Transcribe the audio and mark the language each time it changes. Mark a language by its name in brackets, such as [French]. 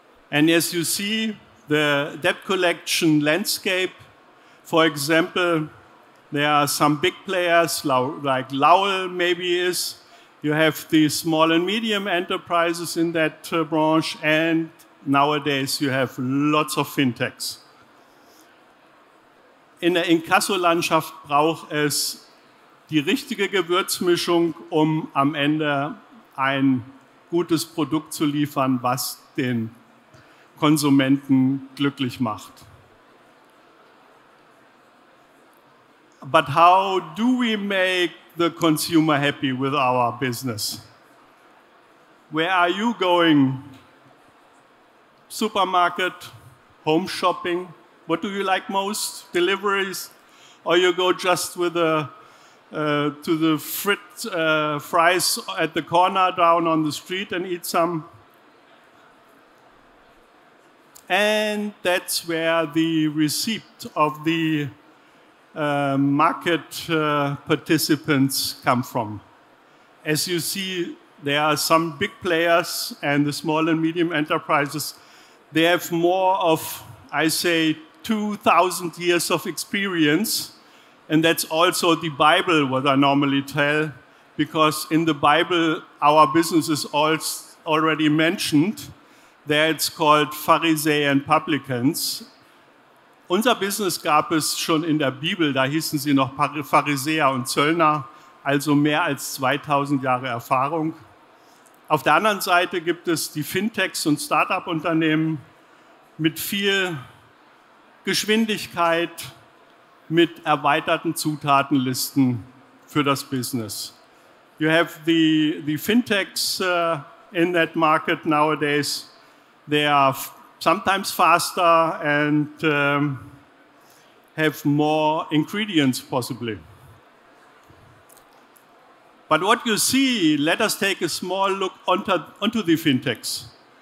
[English] And as you see, the debt collection landscape, for example, there are some big players like Lowell maybe is. You have the small and medium enterprises in that branch, and nowadays you have lots of fintechs. [German] In der Inkasso-Landschaft braucht es die richtige Gewürzmischung, um am Ende ein gutes Produkt zu liefern, was den Konsumenten glücklich macht. [English] But how do we make the consumer happy with our business? Where are you going? Supermarket, home shopping? What do you like most? Deliveries? Or you go just with a to the fries at the corner down on the street and eat some. And that's where the receipt of the market participants come from. As you see, there are some big players and the small and medium enterprises. They have more of, I say, 2,000 years of experience. And that's also the Bible, what I normally tell, because in the Bible, our business is already mentioned. There it's called Pharisäer and Publicans. [German] Unser Business gab es schon in der Bibel, da hießen sie noch Pharisäer und Zöllner, also mehr als 2000 Jahre Erfahrung. Auf der anderen Seite gibt es die Fintechs und Startup-Unternehmen mit viel Geschwindigkeit, mit erweiterten Zutatenlisten für das Business. [English] You have the Fintechs in that market nowadays. They are sometimes faster and have more ingredients, possibly. But what you see, let us take a small look onto the fintechs.